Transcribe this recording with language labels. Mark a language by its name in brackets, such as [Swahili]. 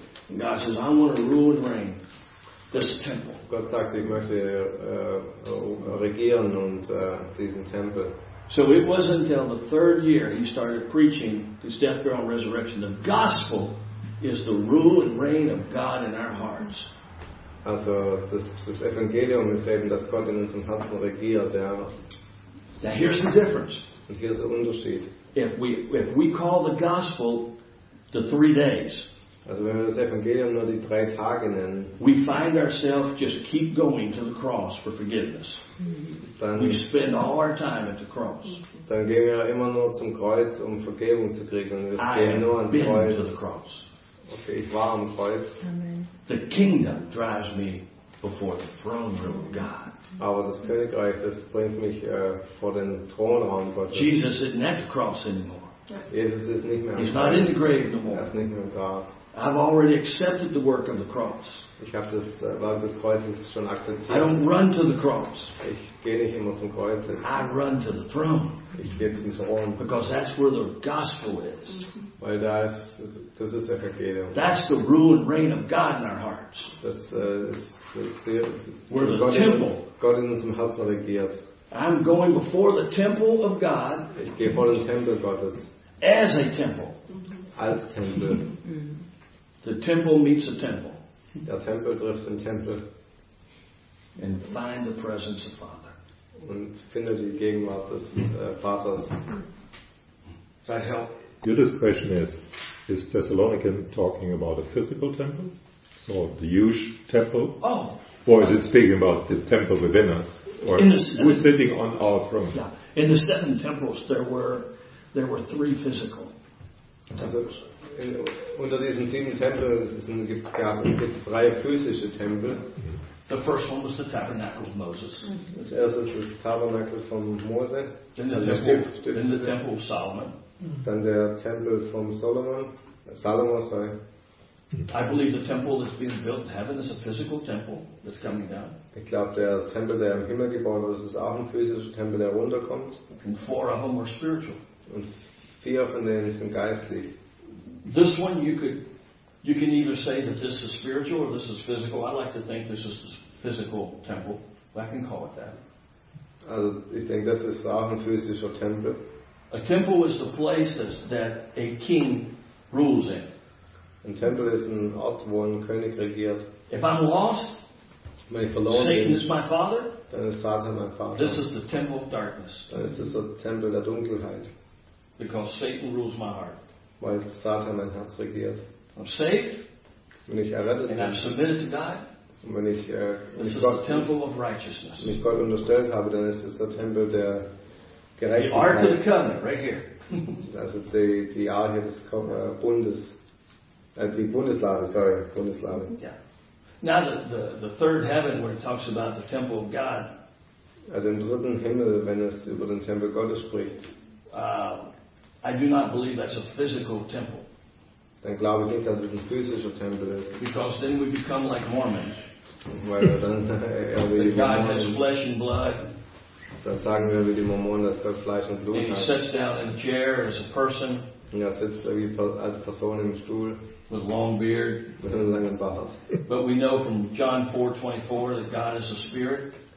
[English] And God says, I want to rule and reign this temple. [German] Gott sagt, ich möchte regieren und diesen Tempel. [English] So it wasn't until the 3rd year he started preaching his death, burial, and resurrection. The gospel is the rule and reign of God in our hearts. [German] Also, das Evangelium ist eben, dass Gott in unserem Herzen regiert. Ja. [English] Now here's the difference. [German] Und hier ist der Unterschied. [English] If we call the gospel the 3 days. [German] Also wenn wir das Evangelium nur die 3 Tage nennen, [English] we find ourselves just keep going to the cross for forgiveness. [German] Dann, [English] we spend all our time at the cross. [German] Dann gehen wir immer nur zum Kreuz, um Vergebung zu kriegen. Und wir gehen nur ans Kreuz. [English] To the cross. [German] Okay, ich war am Kreuz. Amen. [English] The kingdom drives me before the throne room of God. [German] Aber das Königreich, das bringt mich vor den Thronraum Gottes. [English] Jesus isn't at the cross anymore. [German] Jesus ist nicht mehr am Kreuz. [English] He's not in the grave no more. [German] Er ist nicht mehr im Grab. [English] I've already accepted the work of the cross. [German] Ich habe das Werk des Kreuzes schon akzeptiert. [English] I don't run to the cross. [German] Ich gehe nicht immer zum Kreuz. [English] I run to the throne. [German] Ich gehe zum Thron. [English] Because that's where the gospel is. [German] Weil das ist der Evangelium. [English] That's the rule and reign of God in our hearts. Where the temple. [German] Gott in unserem Herzen regiert. [English] I'm going before the temple of God. [German] Ich gehe vor den Tempel Gottes. [English] As a temple. [German] Als Tempel. [English] The temple meets the temple. [German] Der Tempel trifft den Tempel. [English] And find the presence of Father. [German] Und finde die Gegenwart des Vaters. [English] Does that help? Judas' question is Thessalonica talking about a physical temple? Or the huge temple? Oh. Or is it speaking about the temple within us? Or we're sitting on our throne? Yeah. In the seven temples, there were three physical temples. [German] Unter diesen sieben Tempeln gibt es drei physische Tempel. [English] The first one was the Tabernacle of Moses. [German] Das erste ist das Tabernakel von Mose. [English] Then the Temple of Solomon. [German] Dann der Tempel von Solomon. Salomon, sorry. [English] I believe the temple that's being built in heaven is a physical temple that's coming down. [German] Ich glaube, der Tempel, der im Himmel gebaut wird, ist auch ein physischer Tempel, der runterkommt. [English] And four of them are spiritual. [German] Und vier von denen sind geistlich. [English] This one you can either say that this is spiritual or this is physical. I like to think this is a physical temple. I can call it that. [German] Also, ich denke, das ist auch ein physischer Tempel. [English] A temple is the place that a king rules in. [German] Ein Tempel ist ein Ort, wo ein König regiert. [English] If I'm lost, Satan is my father. [German] Dann ist Satan mein Vater. [English] This is the temple of darkness. [German] Dann ist das der Tempel der Dunkelheit. [English] Because Satan rules my heart. [German] Weil Satan mein Herz regiert. [English] I'm saved. [German] Wenn ich errettet bin. [English] And I've submitted to God. [German] Wenn ich Gott, [English] the temple of righteousness. [German] Wenn ich Gott unterstellt habe, dann ist es der Tempel der Gerechtigkeit. [English] The Ark of the Covenant, right here. [German] Also die Arche des Bundes. Die Bundeslade, sorry, Bundeslade. [English] Yeah. Now the third heaven, where it talks about the temple of God. [German] Also im dritten Himmel, wenn es über den Tempel Gottes spricht. [English] I do not believe that's a physical temple. [German] Dann glaube ich nicht, dass es ein physischer Tempel ist. [English] Because then we become like Mormons. [German] Weil dann [English] that God has flesh and blood. [German] Dann sagen wir wie die Mormonen, dass Gott Fleisch und Blut hat. [English] And he sits down in a chair as a person. [German] Ja, sitzt als Person im Stuhl. [English] With long beard. [German] Mit einem langen Bart. [English] But we know from John 4:24 that God is a spirit.